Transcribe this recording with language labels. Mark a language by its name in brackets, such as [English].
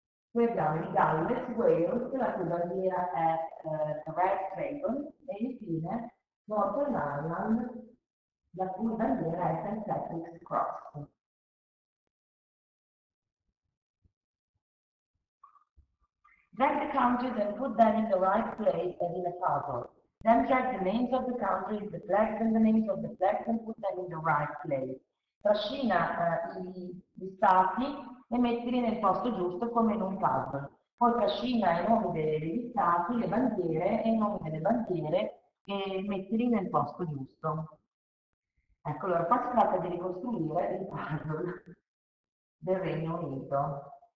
[Italian] Poi abbiamo il Galles, Wales, la cui bandiera è The Red Dragon, e infine Northern Ireland, la cui bandiera è St. Patrick's Cross. [English] Drag the countries and put them in the right place as in a puzzle. Then drag the names of the countries, the flags and the names of the flags and put them in the right place. [Italian] Trascina gli stati e metterli nel posto giusto come in un puzzle. Poi trascina i nomi degli stati, le bandiere e i nomi delle bandiere e metterli nel posto giusto. Ecco, allora qua si tratta di ricostruire il puzzle del Regno Unito.